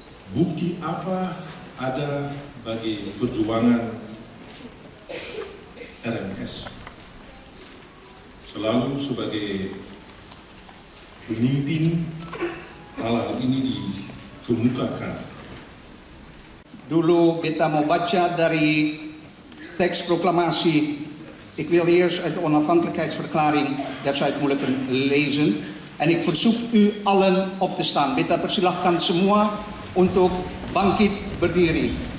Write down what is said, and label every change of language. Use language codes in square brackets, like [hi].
[id] Bukti apa ada bagi perjuangan RMS selalu sebagai pemimpin hal ini dikemukakan. Dulu kita mau baca dari teks proklamasi. [nl] Ik wil eerst uit de onafhankelijkheidsverklaring, daar zou ik moeilijk lezen. En ik verzoek u allen op te staan. [id] Kita persilahkan semua untuk bangkit berdiri.